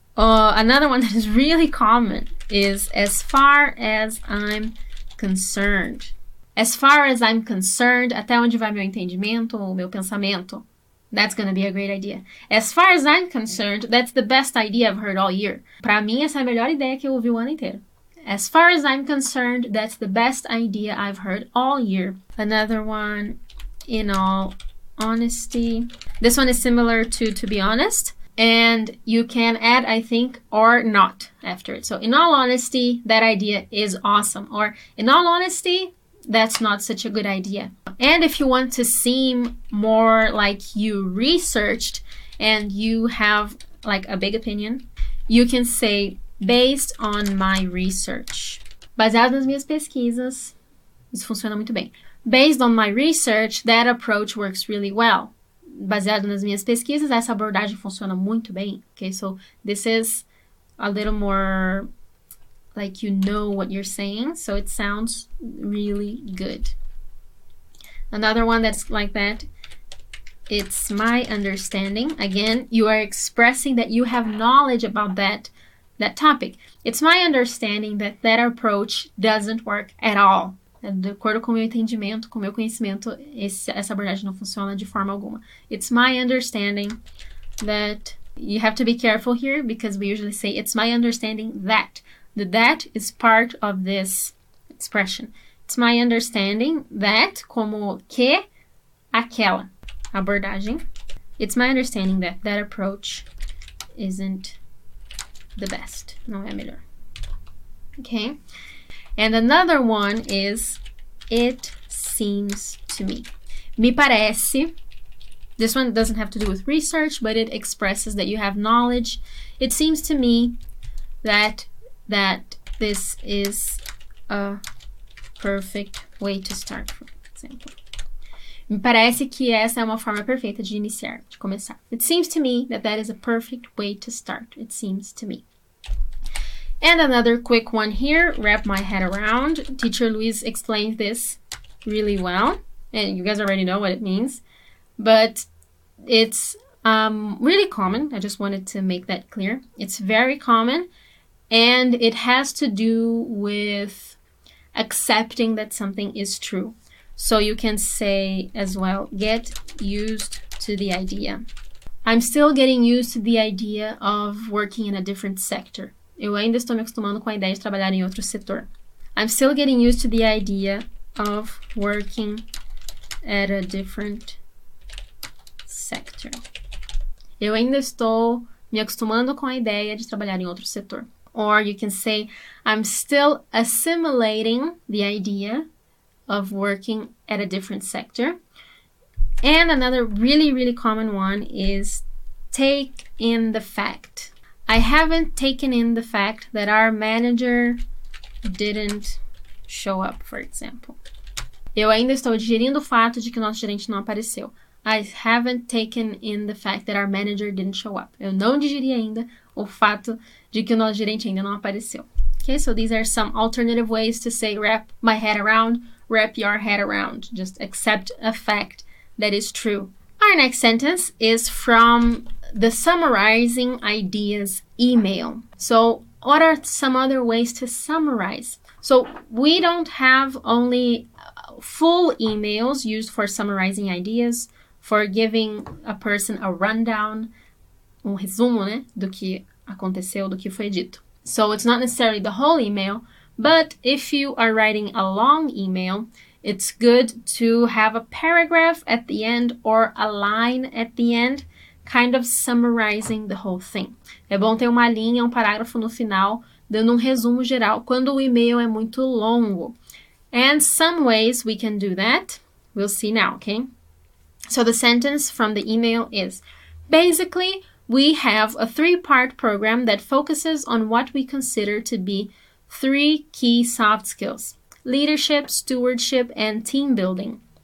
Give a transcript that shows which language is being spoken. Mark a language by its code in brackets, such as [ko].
[en] Another one that is really common is as far as I'm concerned. As far as I'm concerned, [pt] até onde vai meu entendimento, meu pensamento? [en] That's going to be a great idea. As far as I'm concerned, that's the best idea I've heard all year. [pt] Para mim, essa é a melhor ideia que eu ouvi o ano inteiro. [en] As far as I'm concerned, that's the best idea I've heard all year. Another one, in all honesty. This one is similar to be honest. And you can add, I think, or not after it. So, in all honesty, that idea is awesome. Or, in all honesty, that's not such a good idea. And if you want to seem more like you researched and you have, like, a big opinion, you can say, based on my research. [pt] Baseado nas minhas pesquisas. Isso funciona muito bem. [en] Based on my research, that approach works really well. [pt] Baseado nas minhas pesquisas, essa abordagem funciona muito bem. [en] Okay, so this is a little more like you know what you're saying. So it sounds really good. Another one that's like that. It's my understanding. Again, you are expressing that you have knowledge about that topic. It's my understanding that approach doesn't work at all. [pt] De acordo com o meu entendimento, com o meu conhecimento, essa abordagem não funciona de forma alguma. [en] It's my understanding that... You have to be careful here, because we usually say, it's my understanding that. That is part of this expression. It's my understanding that, [pt] como que, aquela abordagem. [en] It's my understanding that approach isn't the best. [pt] Não é melhor. [en] Okay? And another one is, it seems to me. [pt] Me parece. [en] This one doesn't have to do with research, but it expresses that you have knowledge. It seems to me that this is a perfect way to start, for example. [pt] Me parece que essa é uma forma perfeita de iniciar, de começar. [en] It seems to me that is a perfect way to start. It seems to me. And another quick one here, wrap my head around. Teacher Luis explained this really well, and you guys already know what it means, but it's really common. I just wanted to make that clear. It's very common, and it has to do with accepting that something is true. So you can say as well, get used to the idea. I'm still getting used to the idea of working in a different sector. [pt] Eu ainda estou me acostumando com a ideia de trabalhar em outro setor. [en] I'm still getting used to the idea of working at a different sector. [pt] Eu ainda estou me acostumando com a ideia de trabalhar em outro setor. [en] Or you can say, I'm still assimilating the idea of working at a different sector. And another really, really common one is take in the fact. I haven't taken in the fact that our manager didn't show up, for example. [pt] Eu ainda estou digerindo o fato de que nosso gerente não apareceu. [en] I haven't taken in the fact that our manager didn't show up. [pt] Eu não digeri ainda o fato de que o nosso gerente ainda não apareceu. [en] Okay, so these are some alternative ways to say wrap my head around, wrap your head around. Just accept a fact that is true. Our next sentence is from the summarizing ideas email. So what are some other ways to summarize? So we don't have only full emails used for summarizing ideas, for giving a person a rundown, [pt] um resumo, né, do que aconteceu, do que foi dito. [en] So it's not necessarily the whole email, but if you are writing a long email, it's good to have a paragraph at the end or a line at the end, kind of summarizing the whole thing. [pt] É bom ter uma linha, um parágrafo no final, dando um resumo geral, quando o e-mail é muito longo. [en] And some ways we can do that, we'll see now, okay? So the sentence from the email is, basically, we have a three-part program that focuses on what we consider to be three key soft skills: leadership, stewardship, and team building.